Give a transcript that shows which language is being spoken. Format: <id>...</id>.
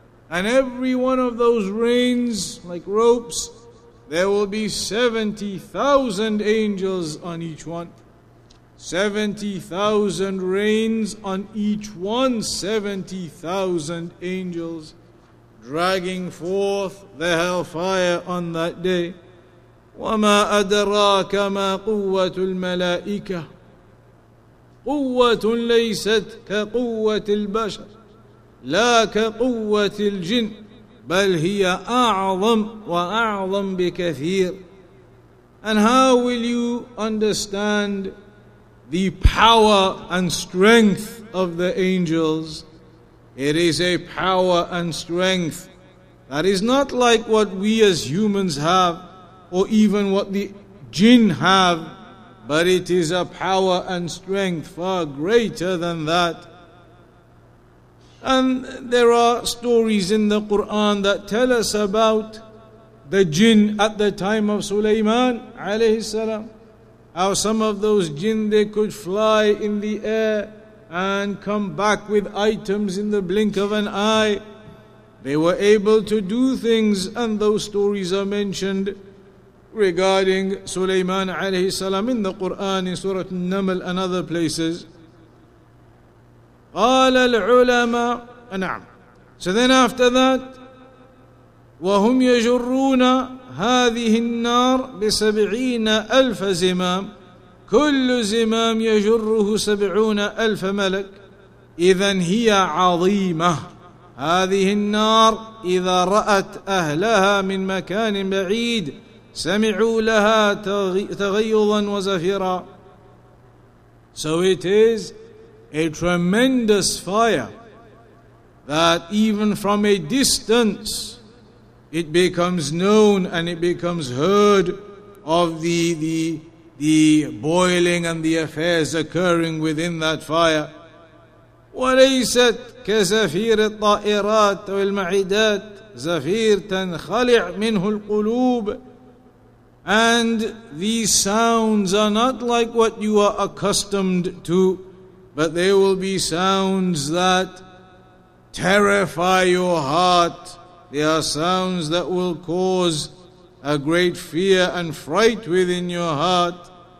<en>And every one of those reins, like ropes, there will be 70,000 angels on each one. 70,000 reins on each one, 70,000 angels dragging forth the hellfire on that day.</en> <ar>وَمَا أَدْرَاكَ مَا قُوَّةُ الْمَلَائِكَةِ قُوَّةٌ لَيْسَتْ كَقُوَّةِ الْبَشَرِ لا كقوة الجن بل هي أعظم وأعظم بكثير.</ar> <en>And how will you understand the power and strength of the angels? It is a power and strength that is not like what we as humans have, or even what the jinn have, but it is a power and strength far greater than that. And there are stories in the Quran that tell us about the jinn at the time of Sulaiman alayhi salam. How some of those jinn, they could fly in the air and come back with items in the blink of an eye. They were able to do things, and those stories are mentioned regarding Sulaiman alayhi salam in the Quran, in Surah An-Naml and other places.</en> <ar>قال العلماء نعم.</ar> <en>So then after that,</en> <ar>وهم يجرون هذه النار بسبعين ألف زمام كل زمام يجره سبعون ألف ملك. إذن هي عظيمة هذه النار إذا رأت أهلها من مكان بعيد سمعوا لها تغيظا وزفيرا.</ar> <en>So it is a tremendous fire that even from a distance it becomes known and it becomes heard of the boiling and the affairs occurring within that fire.</en> <ar>وليست كزفير الطائرات والمعدات زفير تنخلع منه القلوب.</ar> <en>And these sounds are not like what you are accustomed to, but there will be sounds that terrify your heart. There are sounds that will cause a great fear and fright within your heart.</en>